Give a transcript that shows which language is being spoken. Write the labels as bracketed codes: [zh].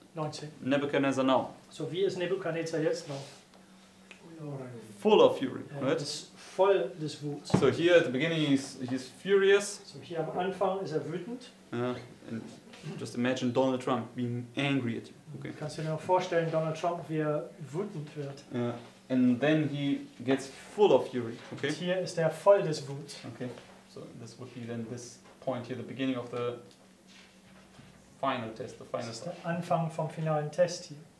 [en] 19. Nebuchadnezzar now? [de] So wie ist Nebuchadnezzar jetzt now? [en] Full of fury, right? [de] Voll des Wuts. [en] So here at the beginning he's furious. [de] So hier am Anfang ist wütend. [en] And just imagine Donald Trump being angry at you. Okay. [de] Kannst du dir noch vorstellen, Donald Trump, wie wütend wird? [en] Yeah. And then he gets full of fury. Okay. [de] Und hier ist voll des Wuts. [en] Okay. So this would be then this point here, the beginning of the final test, the final test. [de] Das ist der Anfang vom finalen Test hier.